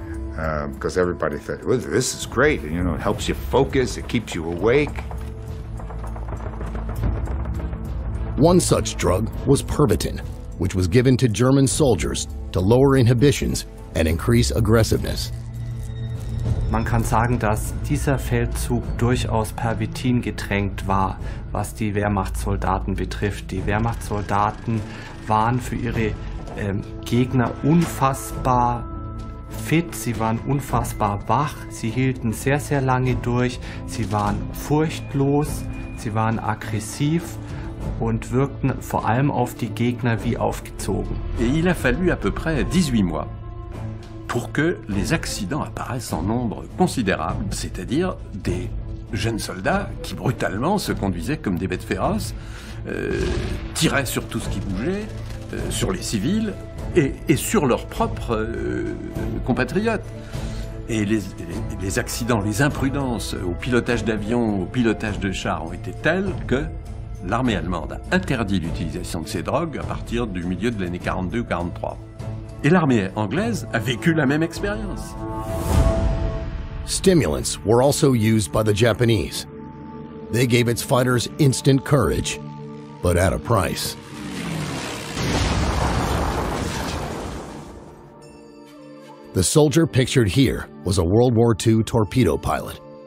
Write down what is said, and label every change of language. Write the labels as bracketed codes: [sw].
[en] Because everybody thought, well, this is great, you know, it helps you focus, it keeps you awake. One such drug was Pervitin, which was given to German soldiers to lower inhibitions and increase aggressiveness. [de] Man kann sagen, dass dieser Feldzug durchaus Pervitin getränkt war, was die Wehrmachtssoldaten betrifft. Die Wehrmachtssoldaten waren für ihre Gegner unfassbar fit, sie waren unfassbar wach, sie hielten sehr, sehr lange durch, sie waren furchtlos, sie waren aggressiv und wirkten vor allem auf die Gegner wie aufgezogen. [fr] Et il a fallu à peu près 18 mois pour que les accidents apparaissent en nombre considérable, c'est-à-dire des jeunes soldats qui brutalement se conduisaient comme des bêtes féroces, tiraient sur tout ce qui bougeait, sur les civils et sur leurs propres compatriotes. Et les accidents, les imprudences au pilotage d'avions, au pilotage de chars ont été telles que l'armée allemande a interdit l'utilisation de ces drogues à partir du milieu de l'année 42-43. Et l'armée anglaise a vécu la même expérience. [en] Stimulants were also used by the Japanese. They gave its fighters instant courage, but at a price. The soldier pictured here was a World War II torpedo pilot.